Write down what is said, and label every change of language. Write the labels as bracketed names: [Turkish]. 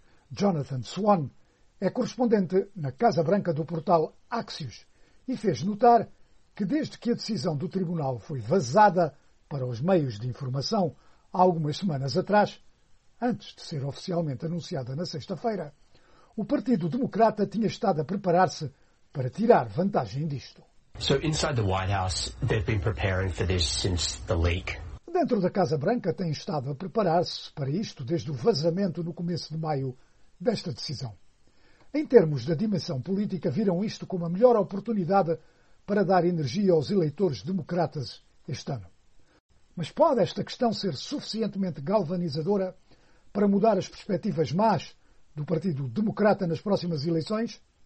[Portuguese] Jonathan Swan é correspondente na Casa Branca do portal Axios e fez notar que desde que a decisão do tribunal foi vazada para os meios de informação há algumas semanas atrás, antes de ser oficialmente anunciada na sexta-feira, o Partido Democrata tinha estado a preparar-se para tirar vantagem disto. [English] So inside the White House, they've been preparing for this since the leak. [Portuguese] Dentro da Casa Branca têm estado a preparar-se para isto desde o vazamento no começo de maio desta decisão. Em termos da dimensão política, viram isto como a melhor oportunidade para dar energia aos eleitores democratas este ano. Mas pode esta questão ser suficientemente galvanizadora para mudar as perspectivas más do Partido Democrata nas próximas eleições?